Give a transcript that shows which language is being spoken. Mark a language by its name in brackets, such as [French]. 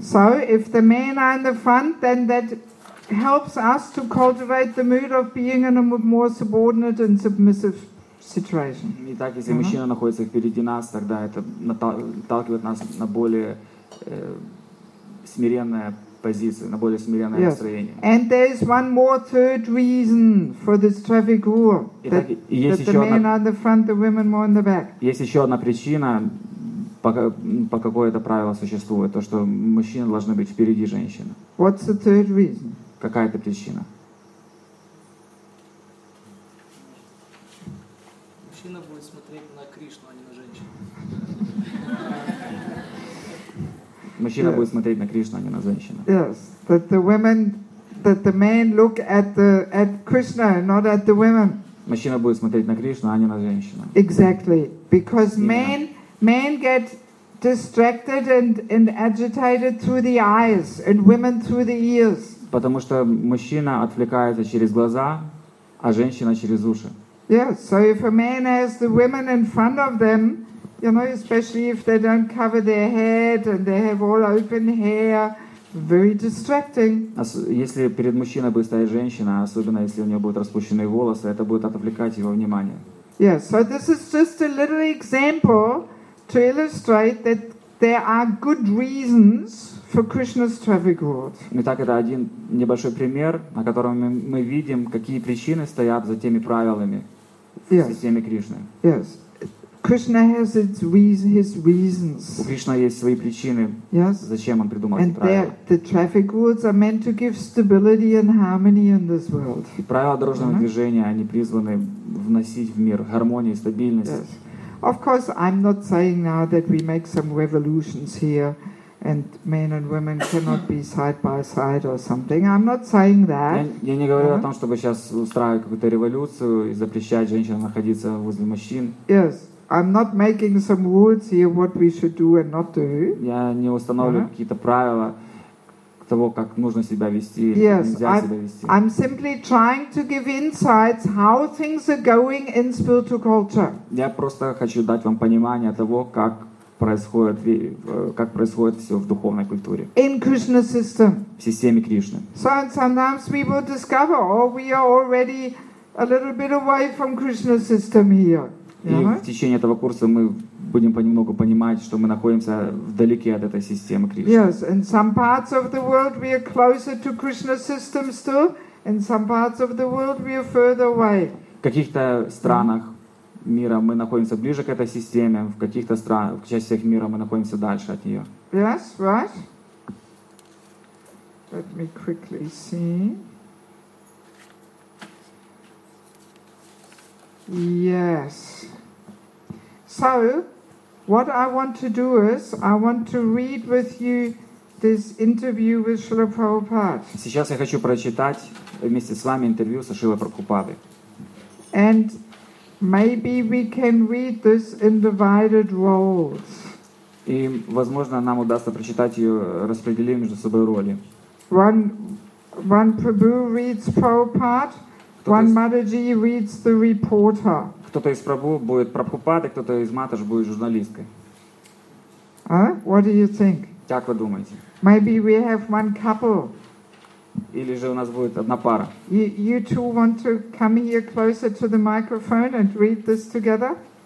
[English] So if the men are in the front, then that helps us to cultivate the mood of being in a more subordinate and submissive situation. [Russian] Итак, если мужчина находится впереди нас, тогда это наталкивает нас на более смиренное позиции, на более смиренное настроение. [English] And there's one more third reason for this traffic rule. [Russian] Есть еще одна причина, по какой это правило существует, то, что мужчины должны быть впереди женщины. [English] What's the third reason? [Russian] Какая это причина? Мужчина будет смотреть на Кришну, а не на женщину. Мужчина будет смотреть на Кришну, а не на женщину. [English] Yes, that the women, that the men look at Krishna, not at the women. [Russian] Мужчина будет смотреть на Кришну, а не на женщину. [English] Exactly, because men get distracted and agitated through the eyes, and women through the ears. [Russian] Потому что мужчина отвлекается через глаза, а женщина через уши. [English] Yes, so if a man has the women in front of them, you know, especially if they don't cover their head and they have all open hair, very distracting. [Russian] Если перед мужчиной будет стоять женщина, особенно если у нее будут распущенные волосы, это будет отвлекать его внимание. [English] Yes, so this is just a little example to illustrate that there are good reasons for Krishna's traffic rules. [Russian] Итак, это один небольшой пример, на котором мы видим, какие причины стоят за теми правилами в системе Кришны. [English] Yes. Krishna has his reasons. [Russian] У Кришна есть свои причины, зачем он придумал эти правила. [English] And the traffic rules are meant to give stability and harmony in this world. [Russian] И правила дорожного движения, они призваны вносить в мир гармонию и стабильность. [English] Yes. Of course, I'm not saying now that we make some revolutions here and men and women cannot be side by side or something. I'm not saying that. [Russian] Я не говорю о том, чтобы сейчас устраивать какую-то революцию и запрещать женщинам находиться возле мужчин. [English] Yes. I'm not making some rules here what we should do and not do. [Russian] Я не устанавливаю какие-то правила того, как нужно себя вести, как нельзя себя вести. [English] I'm simply trying to give insights how things are going in spiritual culture. [Russian] Я просто хочу дать вам понимание того, как происходит все в духовной культуре. [English] In Krishna system. [Russian] В системе Кришны. [English] So sometimes we will discover, we are already a little bit away from Krishna system here. [Russian] И в течение этого курса мы будем понемногу понимать, что мы находимся вдалеке от этой системы Кришны. [English] Yes, in some parts of the world we are closer to Krishna system still, in some parts of the world we are further away. [Russian] В каких-то странах мира мы находимся ближе к этой системе, в каких-то странах, в частях мира мы находимся дальше от нее. [English] Yes, right. Let me quickly see. Yes. So, what I want to do is, I want to read with you this interview with Srila Prabhupada. [Russian] Сейчас я хочу прочитать вместе с вами интервью со Шрилой Прабхупадой. [English] And maybe we can read this in divided roles. [Russian] И, возможно, нам удастся прочитать ее, распределив между собой роли. [English] One one Prabhu reads Prabhupada, one Mataji reads the reporter. [Russian] Кто-то из Прабху будет Прабхупада, кто-то из Матаджи будет журналисткой. [English] What do you think? [Russian] Как вы думаете? [English] Maybe we have one couple. [Russian] Или же у нас будет одна пара. [English] You two want to come here closer to the microphone and read this together?